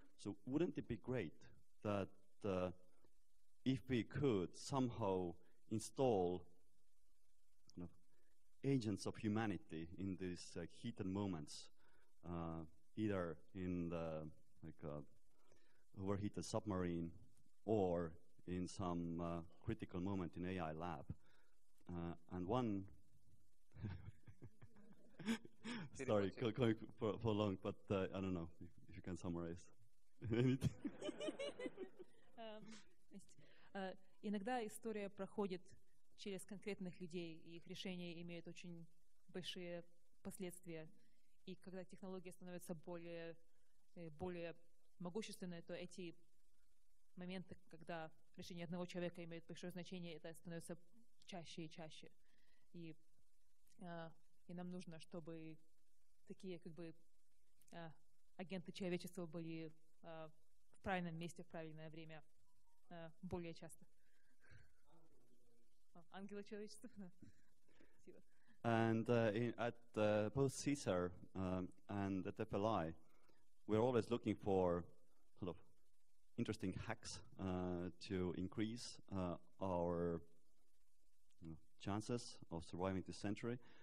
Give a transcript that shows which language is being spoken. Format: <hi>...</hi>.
<en>So wouldn't it be great that if we could somehow install agents of humanity in these heated moments, either in the overheated submarine or in some critical moment in AI lab. And one, sorry, going for long, but I don't know if you can summarize anything.</en> <ru>Иногда история проходит через конкретных людей, и их решения имеют очень большие последствия. И когда технология становится более могущественной, то эти моменты, когда решение одного человека имеет большое значение, это становится чаще и чаще. И нам нужно, чтобы такие агенты человечества были в правильном месте в правильное время более часто. Ангелы человечества.</ru> <en>And at both CSER and at FLI, we're always looking for interesting hacks to increase our chances of surviving this century.</en>